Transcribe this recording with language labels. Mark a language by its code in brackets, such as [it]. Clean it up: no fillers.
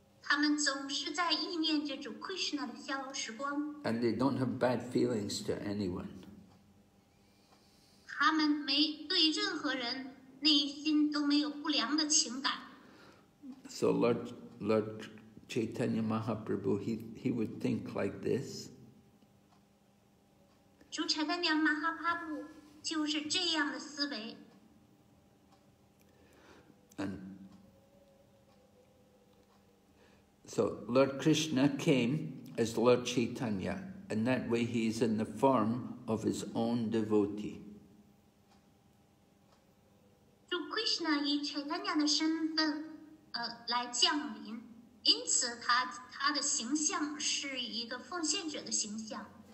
[en] And they don't have bad feelings to anyone. They don't have bad feelings to anyone. So Lord Chaitanya Mahaprabhu, he would think like this. [zh] 主陈丹娘马哈帕布就是这样的思维。 [en] And so Lord Krishna came as Lord Chaitanya, and that way he is in the form of his own devotee. [zh] So Krishna 以陈丹娘的身份来降临，因此他的形象是一个奉献者的形象。